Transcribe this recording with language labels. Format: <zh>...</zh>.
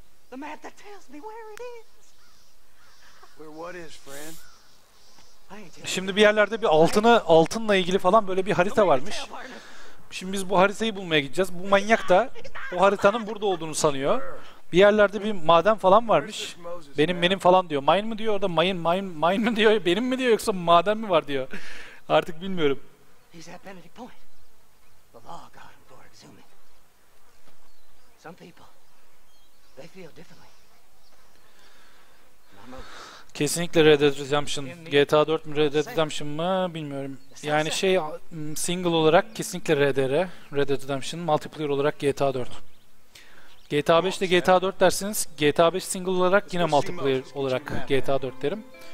<en>The map that tells me where it is. Where what is, friend?</en> <tr>Şimdi bir yerlerde bir altınla ilgili falan böyle bir harita varmış. Şimdi biz bu haritayı bulmaya gideceğiz. Bu manyak da o haritanın burada olduğunu sanıyor. Bir yerlerde bir maden falan varmış. Benim falan diyor. Mine mi diyor orada? Mine mi diyor? Benim mi diyor yoksa maden mi var diyor. Artık bilmiyorum.</tr> <en>He's at Benedict Point. The law got him for exhuming. Some people, they feel differently.</en> <tr>Kesinlikle Red Dead Redemption. GTA 4 mü Red Dead Redemption mı bilmiyorum. Yani şey, single olarak kesinlikle Red Dead Redemption, multiplayer olarak GTA 4. GTA 5 ile GTA 4 dersiniz, GTA 5 single olarak yine multiplayer olarak GTA 4 derim.</tr>